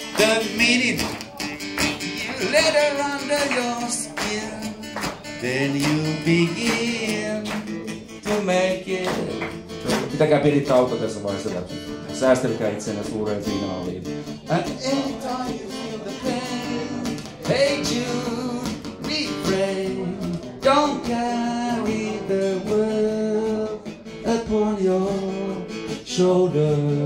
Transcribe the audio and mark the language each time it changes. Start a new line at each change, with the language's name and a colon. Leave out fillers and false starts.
English: The minute you let her under your skin, then you begin to make it.
Finnish: Pitäkää pieni tauko tässä vaiheessa läpi. Säästelkää itsenä suureen finaaliin.
English: And anytime you feel the pain, hey Jude, refrain. Don't carry the world upon your shoulder.